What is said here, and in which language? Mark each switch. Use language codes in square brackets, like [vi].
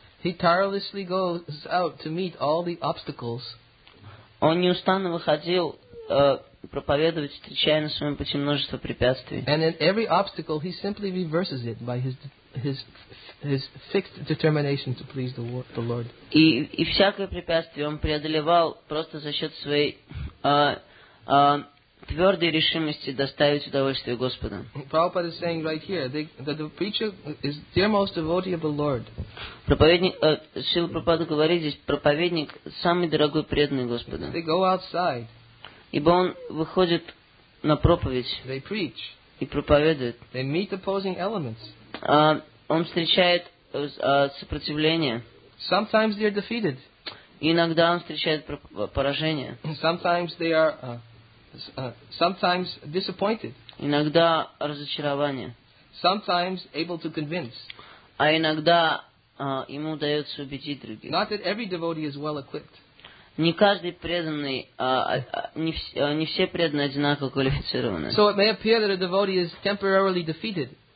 [en] He tirelessly goes out to meet all the obstacles. [ru] Он неустанно выходил проповедовать, встречая на своем пути множество препятствий. [en] And in every obstacle, he simply reverses it by his his fixed determination to please the Lord. [ru] И всякое препятствие он преодолевал просто за счет своей твердой решимости доставить удовольствие Господу. [en] Prabhupada is saying right here that the preacher is the most devotee of the Lord. [ru] Проповедник, Шрила Прабхупада говорит здесь, проповедник самый дорогой преданный Господу. [en] They go outside. [ru] Ибо он выходит на проповедь. [en] They preach. [ru] И проповедует. [en] They meet opposing elements. [ru] Он встречает сопротивление. [en] Sometimes they are defeated. [ru] Иногда он встречает поражение. [en] Sometimes they are sometimes disappointed. [ru] Иногда разочарование. [en] Sometimes able to convince. [ru] А иногда ему удается убедить других. [en] Not that every devotee is well equipped. [ru] Не каждый преданный, не все преданные одинаково квалифицированы. [en] So it may appear that a devotee is temporarily defeated.